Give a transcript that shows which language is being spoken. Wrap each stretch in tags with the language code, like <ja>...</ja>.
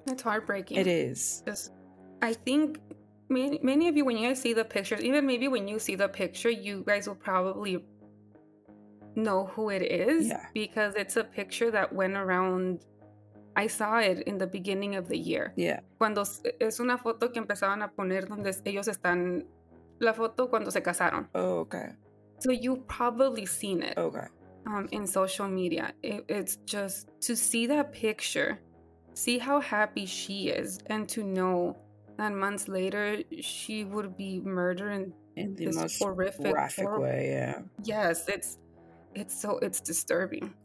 <en>It's heartbreaking. It is. I think many of you, when you guys see the pictures, even maybe when you see the picture, you guys will probably know who it is. Yeah. Because it's a picture that went around. I saw it in the beginning of the year. Yeah.</en> <es>Cuando es una foto que empezaban a poner donde ellos están, la foto cuando se casaron.</es> <en>Oh, okay. So you've probably seen it. Okay. In social media. It's just to see that picture, see how happy she is, and to know that months later she would be murdered in the most horrific way. Yeah. Yes, it's disturbing.</en>